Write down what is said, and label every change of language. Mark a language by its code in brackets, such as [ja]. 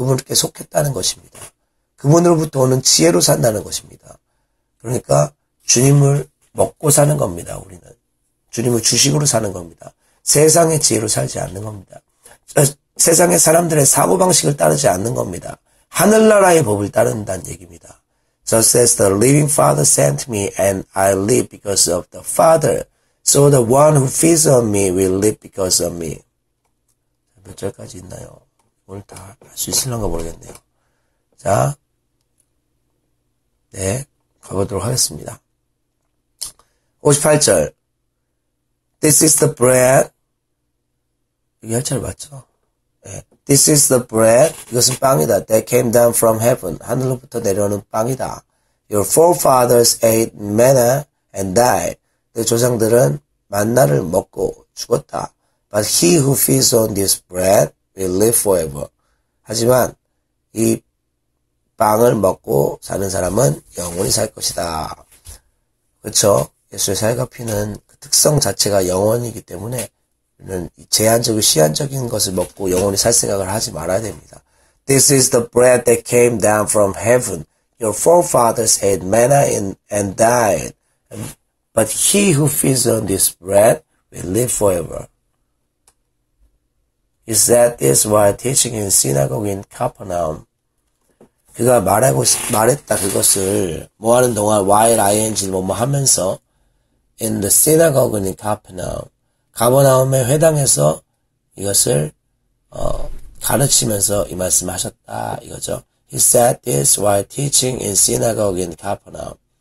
[ko] 그분께 속했다는 것입니다. 그분으로부터 오는 지혜로 산다는 것입니다. 그러니까 주님을 먹고 사는 겁니다. 우리는 주님을 주식으로 사는 겁니다. 세상의 지혜로 살지 않는 겁니다. 세상의 사람들의 사고방식을 따르지 않는 겁니다. 하늘나라의 법을 따른다는 얘기입니다. [en] So says the living father sent me and I live because of the father. So the one who feeds on me will live because of me. [ko] 몇 절까지 있나요? 오늘 다 할 수 있을런가 모르겠네요. 자, 네, 가보도록 하겠습니다. 58절. [en] This is the bread. [ko] 이게 할 차례 맞죠? 네. [en] This is the bread. [ko] 이것은 빵이다. [en] That came down from heaven. [ko] 하늘로부터 내려오는 빵이다. [en] Your forefathers ate manna and died. [ko] 내 조상들은 만나를 먹고 죽었다. [en] But he who feeds on this bread will live forever. [ko] 하지만 이 빵을 먹고 사는 사람은 영원히 살 것이다. 그렇죠? 예수의 살과 피는 그 특성 자체가 영원이기 때문에 우리는 제한적이고 시한적인 것을 먹고 영원히 살 생각을 하지 말아야 됩니다. [en] This is the bread that came down from heaven. Your forefathers ate manna and died. But he who feeds on this bread will live forever. He said this while teaching in synagogue in Capernaum. [ko] 그가 말하고 말했다 그것을 뭐 하는 동안 [en] while ing [ko] 뭐 하면서 [en] in the synagogue in Capernaum. [ko] 가버나움의 회당에서 이것을 가르치면서 이 말씀을 하셨다 이거죠. [en] He said this while teaching in synagogue in Capernaum.